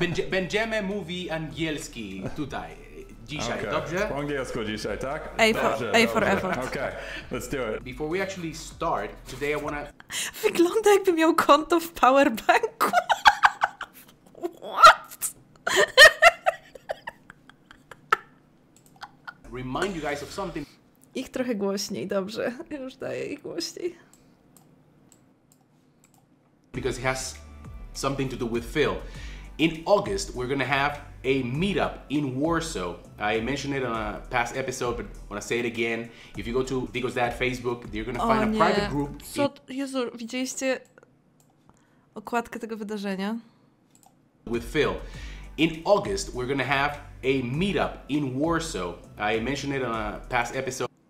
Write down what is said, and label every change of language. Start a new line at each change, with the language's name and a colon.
Polish: Będziemy mówić angielski tutaj. Dzisiaj, okay. Dobrze? Po angielsku dzisiaj, tak?
English: A for effort. Okay, let's do it. Before we actually start, today I wanna...
Polish: Wygląda jakby miał konto w powerbanku.
English: What? Remind you guys of something.
Polish: Ich trochę głośniej, dobrze. Już daję ich głośniej.
English: Because it has something to do with Phil. In August, we're gonna have a meetup in Warsaw. I mentioned it on a past episode, but I want to say it again. If you go to Vigo's Dad Facebook, you're going to find
Polish: nie.
English: A private group.
Polish: Co? Jezu, widzieliście okładkę tego wydarzenia?
English: With Phil. In August, we're going to have a meetup in Warsaw. I mentioned it on a past episode.